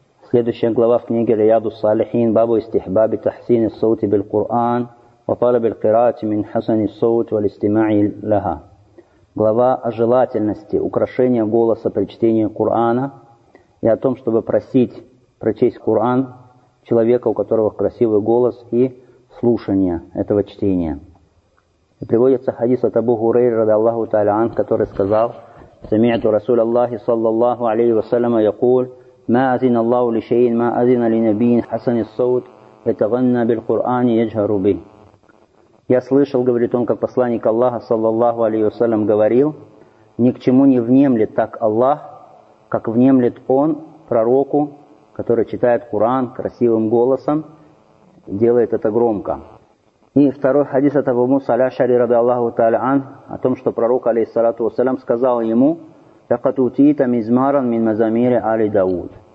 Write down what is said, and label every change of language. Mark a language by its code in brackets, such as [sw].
[ru] Следующая глава в книге «Рияду Салихин» [ar] «Бабу истихбаби тахсини саути биль Кур'ан» وطلب القراءة من حسن الصوت والاستماع لها. [ru] Глава о желательности украшения голоса при чтении Корана и о том, чтобы просить прочесть Коран человека, у которого красивый голос, и слушание этого чтения. И приводится хадис от Абу Хурейры [ar] رضي الله تعالى عنه, [ru] который сказал: [ar] سمعت رسول الله صلى الله عليه وسلم يقول: ما أذن الله لشيء ما أذن لنبي حسن الصوت يتغنى بالقرآن يجهر به. [ru] Я слышал, говорит он, как посланник Аллаха, саллаллаху алейхи вассалям, говорил: ни к чему не внемлет так Аллах, как внемлет он пророку, который читает Коран красивым голосом, делает это громко. И второй хадис от Абу Муса аль-Ашари ради Аллаху тааля ан, о том, что пророк, алейхиссалату вассалям, сказал ему: [ar] «Лякат утита мизмаран мин мазамири али Дауд».